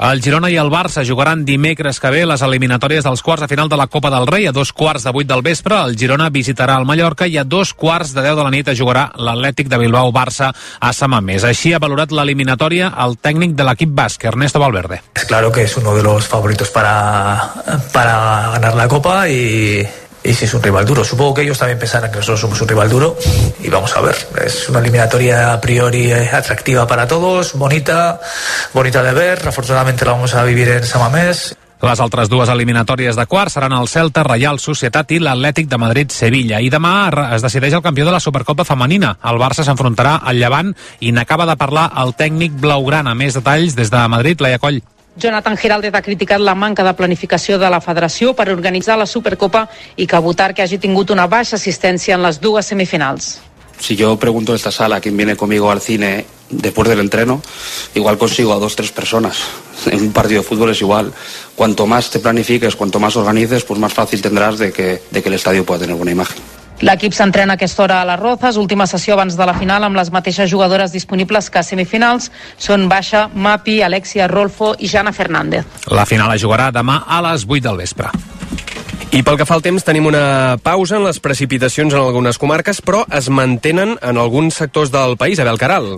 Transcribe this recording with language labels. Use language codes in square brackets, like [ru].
[ca] El Girona i el Barça jugaran dimecres que ve les eliminatòries dels quarts de final de la Copa del Rei. A 8:15 del vespre, el Girona visitarà el Mallorca i a 9:15 de la nit jugarà l'Atlètic de Bilbao-Barça a Sant Mamés. Així ha valorat l'eliminatòria el tècnic de l'equip basc, Ernesto Valverde. [es] Es claro que es uno de los favoritos para a ganar la copa y si es un rival duro. Supongo que ellos también pensarán que nosotros somos un rival duro y vamos a ver. Es una eliminatoria a priori atractiva para todos, bonita de ver. Afortunadamente la vamos a vivir en San Mamés. [ca] Les altres dues eliminatòries de quart seran el Celta, Reial Societat i l'Atlètic de Madrid, Sevilla. I demà es decideix el campió de la Supercopa femenina. El Barça s'enfrontarà al Llevant i n'acaba de parlar el tècnic blaugrana. Més detalls des de Madrid, Laia Coll. Jonathan Giraldez ha criticat la manca de planificació de la federació per organitzar la Supercopa i que votar que hagi tingut una baixa assistència en les dues semifinals. [es] Si yo pregunto a esta sala quién viene conmigo al cine después del entreno, igual consigo a 2-3 personas. En un partido de fútbol es igual. Cuanto más te planifiques, cuanto más organices, pues más fácil tendrás de que el estadio pueda tener buena imagen. [ca] L'equip s'entrena aquesta hora a les Roses, última sessió abans de la final, amb les mateixes jugadores disponibles que a semifinals. Són Baixa, Mapi, Alexia, Rolfo i Jana Fernández. La final es jugarà demà a les 8 del vespre. I pel que fa al temps, tenim una pausa en les precipitacions en algunes comarques, però es mantenen en alguns sectors del país, a Belcaral.